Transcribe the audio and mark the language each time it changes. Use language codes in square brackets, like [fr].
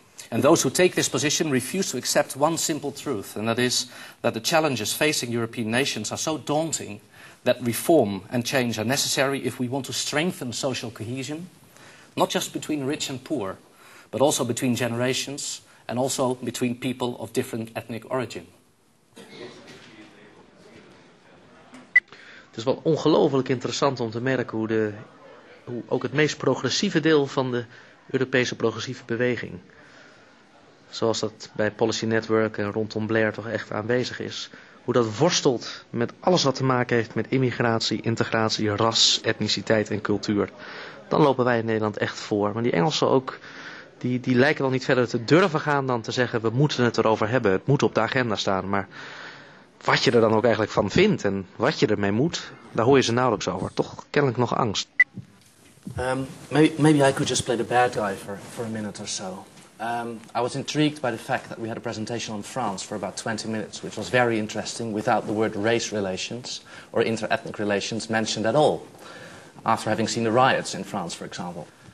[en] And those who take this position refuse to accept one simple truth, and that is that the challenges facing European nations are so daunting that reform and change are necessary if we want to strengthen social cohesion, not just between rich and poor, but also between generations and also between people of different ethnic origin. [nl] Het is wel ongelooflijk interessant om te merken hoe ook het meest progressieve deel van de Europese progressieve beweging, zoals dat bij Policy Network en rondom Blair toch echt aanwezig is, hoe dat worstelt met alles wat te maken heeft met immigratie, integratie, ras, etniciteit en cultuur. Dan lopen wij in Nederland echt voor. Maar die Engelsen ook, die lijken wel niet verder te durven gaan dan te zeggen, we moeten het erover hebben, het moet op de agenda staan. Maar wat je er dan ook eigenlijk van vindt en wat je ermee moet, daar hoor je ze nauwelijks over. Toch kennelijk nog angst. [en] Maybe I could just play the bad guy for a minute or so. I was intrigued by the fact that we had a presentation on France for about 20 minutes, which was very interesting, without the word race relations or inter-ethnic relations mentioned at all, after having seen the riots in France, for example.